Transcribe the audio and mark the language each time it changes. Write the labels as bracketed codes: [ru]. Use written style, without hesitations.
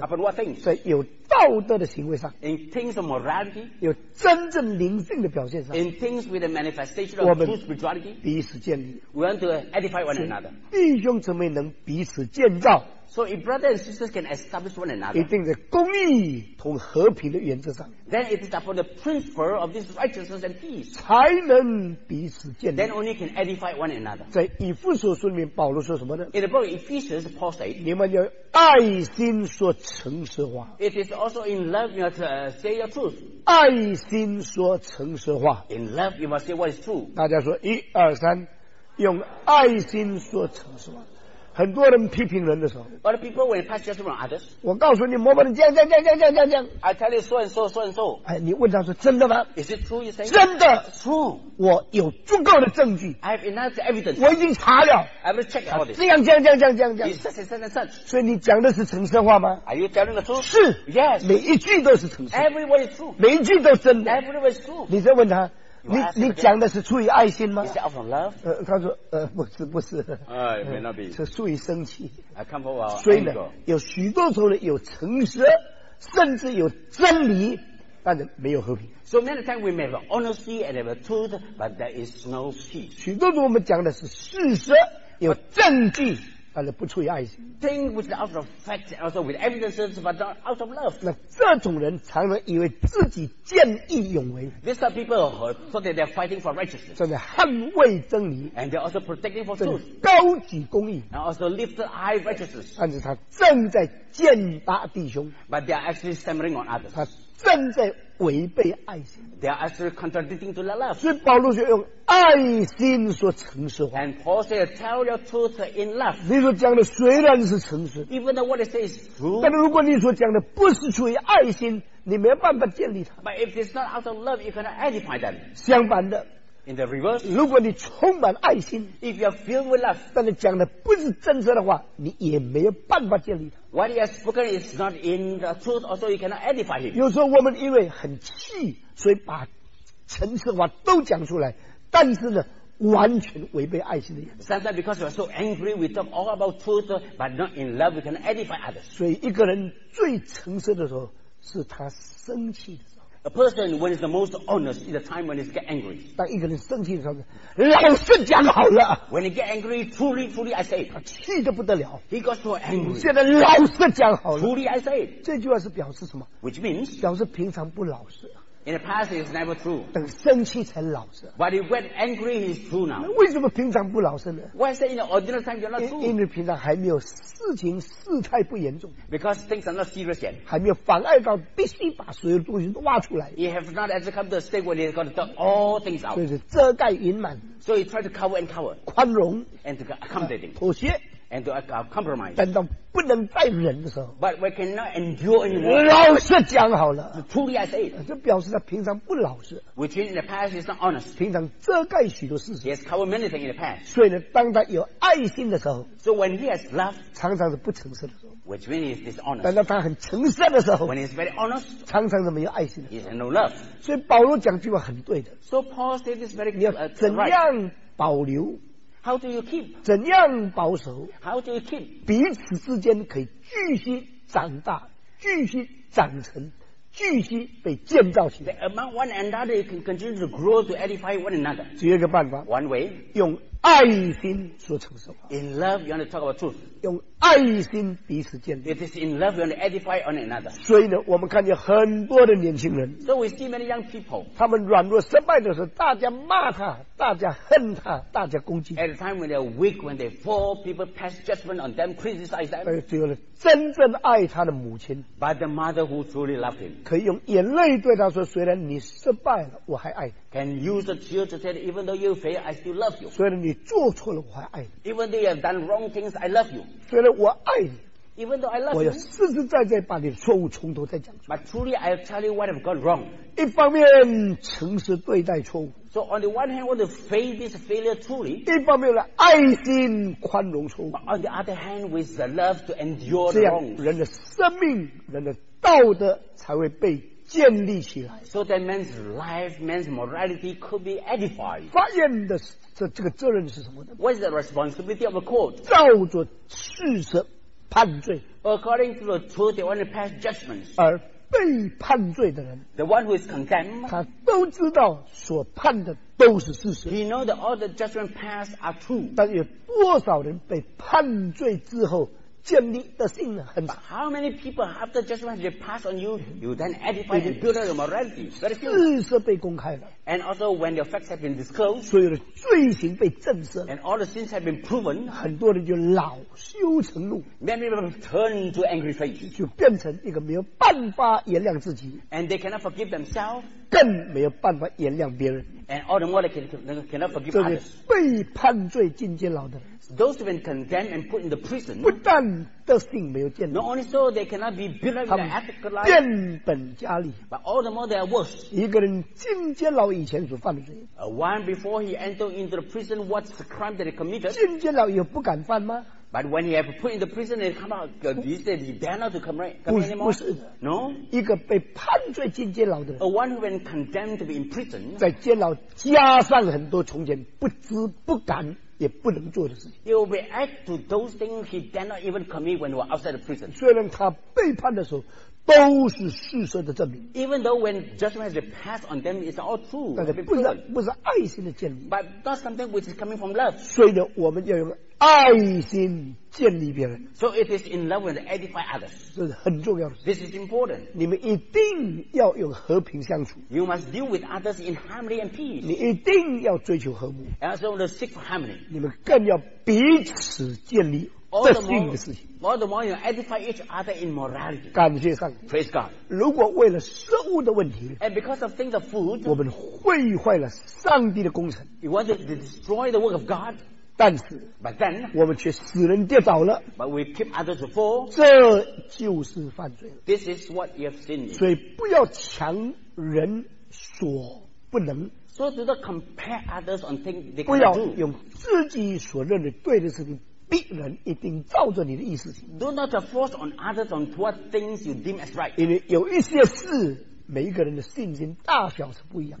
[en] Upon what things? [zh] 在有道德的行为上。 [en] In things of morality. [zh] 有真正灵性的表现上。 [en] In things with a manifestation of true spirituality. [zh] 彼此建立。 [en] We want to edify one another. [zh] 弟兄姊妹能彼此建造。 [en] So if brothers and sisters can establish one another. [zh] 一定在公义和和平的原则上。 [en] Then it is upon the principle of this righteousness and peace. [zh] 才能彼此建立。 [en] Then only can edify one another. [zh] 在以弗所书里面保罗说什么呢？ [en] In the book of Ephesians, Paul [zh] 你们要爱心说诚实话。 [en] It is also in love you must say your truth. [zh] 爱心说诚实话。 [en] In love you must say what is true. [zh] 大家说一二三，用爱心说诚实话。很多人批评人的时候。 [en] But people when pass judgment on others. [zh] 我告诉你，某某人这样这样这样这样这样这样。 [en] I tell you so and so so and so. [zh] 哎，你问他说真的吗 [en] ？Is it true you say? [zh] 真的。 [en] True. [zh] 我有足够的证据。 [en] I have enough evidence. [zh] 我已经查了。 [en] I will check all this. [zh] 这样这样这样这样这样。 [en] It's such and such and such. [zh] 所以你讲的是诚实话吗 [en] ？Are you telling the truth? [zh] 是。 [en] Yes. [zh] 每一句都是诚实。 [en] Every word is true. [zh] 每一句都真的。 [en] Every word is true. [zh] 你再问他。你讲的是出于爱心吗？ [en] Is it out of love? [zh] 他说不是不是。 [en] It may not be. [zh] 是出于生气。 [en] I come for our anger. [zh] 所以呢，有许多时候呢，有诚实，甚至有真理，但是没有和平。 [en] So many times we may have honesty and have truth, but there is no peace. [zh] 许多时候我们讲的是事实，有证据。但是不出于爱心。 [en] Thing which is out of fact, also with evidences, but not out of love. [zh] 那这种人常常以为自己见义勇为。 [en] These are people who thought that they're fighting for righteousness. [zh] 正在捍卫真理。 [en] And they're also protecting for truth. [zh] 高举公义。 [en] And also lift high righteousness. [zh] 但是他正在践踏弟兄。 [en] But they are actually stammering on others. [zh] 他正在违背爱心。 [en] They are actually contradicting to the love. [zh] 所以保罗就用爱心说诚实话。 [en] And Paul said, "Tell your truth in love." [zh] 你所讲的虽然是诚实 [en] ，even though what it says is true. [zh] 但是如果你所讲的不是出于爱心，你没办法建立它。 [en] But if it's not out of love, you cannot edify them. [zh] 相反的 [en] ，in the reverse. [zh] 如果你充满爱心 [en] ，if you are filled with love, [zh] 但你讲的不是真实的话，你也没有办法建立它。 [en] What he has spoken is not in the truth, also you cannot edify him. [zh] 有时候我们因为很气，所以把诚实话都讲出来。但是呢，完全违背爱心的原则。 [en] Sometimes because we are so angry, we talk all about truth, but not in love, we can edify others. [zh] 所以一个人最诚实的时候，是他生气的时候。 [en] A person when is the most honest is the time when he's get angry. [zh] 当一个人生气的时候，老实讲好了。 [en] When he get angry, truly, truly, I say. [zh] 气得不得了。 [en] He got so angry. [zh] 现在老实讲好了。 [en] Truly, I say. [zh] 这句话是表示什么 [en] ？Which means [zh] 表示平常不老实。 [en] In the past, it's never true. [zh] 等生气才老实。 [en] But if when angry, he's true now. [zh] 那为什么平常不老实呢 [en] ？Why say in the ordinary time you're not true? [zh] 因为平常还没有事情事态不严重。 [en] Because things are not serious yet. [zh] 还没有妨碍到必须把所有东西都挖出来。 [en] He has not actually come to a state where he's got to talk all things out. [zh] 所以是遮盖隐瞒。 [en] So he tried to cover and cover. [zh] 宽容。 [en] And to accommodate. [zh] 妥协。 [en] And to compromise. [zh] 等到不能再忍的时候。 [en] But we cannot endure anymore. [zh] 老实讲好了。 [en] So、truly I say. [zh] 这表示他平常不老实。 [en] Which means in the past he's not honest. [zh] 平常遮盖许多事实。 [en] He has covered many things in the past. [zh] 所以呢，当他有爱心的时候。 [en] So when he has love. [zh] 常常是不诚实的时候。 [en] Which means he's dishonest. [zh] 等到他很诚实的时候。 [en] When he's very honest. [zh] 常常是没有爱心的。 [en] He has no love. [zh] 所以保罗讲句话很对的。 [en] So Paul said this very right. [zh] 你要怎样保留。 [en] How do you keep? [zh] 怎样保守 [en] ？How do you keep? [zh] 彼此之间可以继续长大，继续长成，继续被建造起来。 [en] Among one another, you can continue to grow to edify one another. [zh] 只有一个办法。 [en] One way. [zh] 用爱心说诚实话。 [en] In love, you want to talk about truth. [zh] 用爱心彼此建立。 [en] It is in love, you want to edify one another. [zh] 所以呢，我们看见很多的年轻人。 [en] So we see many young people. [zh] 他们软弱失败的时候，大家骂他，大家恨他，大家攻击。 [en] At the time when they are weak, when they fall, people pass judgment on them, criticize them. [zh] 只有真正爱他的母亲。 [en] But the mother who truly loved him. [zh] 可以用眼泪对他说，虽然你失败了，我还爱你。 [en] Can use the tears to say, even though you fail, I still love you. [zh] 虽然你做错了，我还爱你。 [en] Even though you have done wrong things, I love you. [zh] 虽然我爱你。 [en] Even though I love you. [zh] 我要实实在在把你的错误从头再讲出来。 [en] But truly, I'll tell you what I've got wrong. [zh] 一方面诚实对待错误。 [en] So on the one hand, I want to face this failure truly. [zh] 一方面爱心宽容错误。 [en] But on the other hand, with the love to endure the wrong. [zh] 这样人的生命，人的道德才会被建立起来。 [en] So that man's life, man's morality could be edified. [zh] 法院的这个责任是什么呢？ [en] What is the responsibility of a court? [zh] 照着事实判罪。 [en] According to the truth, they want to pass judgments. [zh] 而被判罪的人， [en] the one who is condemned, [zh] 他都知道所判的都是事实。 [en] He knows that all the judgments passed are true. [zh] 但有多少人被判罪之后建立的信呢？很少。 [en] But how many people after judgment they pass on you, you then edify and build your morality? Very few. [zh] 事实被公开了。 [en] And also when the facts have been disclosed, [zh] 所有的罪行被证实。 [en] And all the sins have been proven, [zh] 很多人就恼羞成怒。 [en] Many people turn to angry face, [zh] 就变成一个没有办法原谅自己。 [en] And they cannot forgive themselves, [zh] 更没有办法原谅别人。 [en] And all the more they cannot forgive others. [zh] 这是被判罪进监牢的。 [en] Those who have been condemned and put in the prison, [zh] 不但德性没有建立， [en] not only so, they cannot be built up in their ethical life, [zh] 变本加厉， [en] but all the more they are worse. [zh] 一个人进监牢以前所犯的罪， [en] one before he entered into the prison, what's the crime that he committed? [zh] 进监牢也不敢犯吗？ [en] But when he have put in the prison and come out, these days he dare not to come right anymore? [zh] 不是， [en] no? [zh] 一个被判罪进监牢的人， [en] a one who has been condemned to be in prison, [zh] 在监牢加上很多从前不知不敢也不能做的事情。 [en] He will react to those things he dare not even commit when he was outside the prison. [zh] 虽然他被判的时候都是事实的证明。 [en] Even though when judgment has passed on them, it's all true. [zh] 但是不是爱心的建立。 [en] But that's something which is coming from love. [zh] 所以呢，我们要用爱心建立别人。 [en] So it is in love and edify others. [zh] 这是很重要的。 [en] This is important. [zh] 你们一定要用和平相处。 [en] You must deal with others in harmony and peace. [zh] 你一定要追求和睦。 [en] And also to seek for harmony. [zh] 你们更要彼此建立。 [en] All the more you edify each other in morality. [zh] 感谢上帝。 [en] Praise God. [zh] 如果为了食物的问题， [en] and because of things of food, [zh] 我们毁坏了上帝的工程。 [en] You want to destroy the work of God? [zh] 但是， [en] but then, [zh] 我们却使人跌倒了。 [en] But we keep others fall. [zh] 这就是犯罪了。 [en] This is what you have sinned. [zh] 所以不要强人所不能。 [en] So do not compare others on things they can't do. [zh] 不要用自己所认为对的事情逼人一定照着你的意思。 [en] Do not force on others on what things you deem as right. [zh] 因为有一些事，每一个人的信心大小是不一样。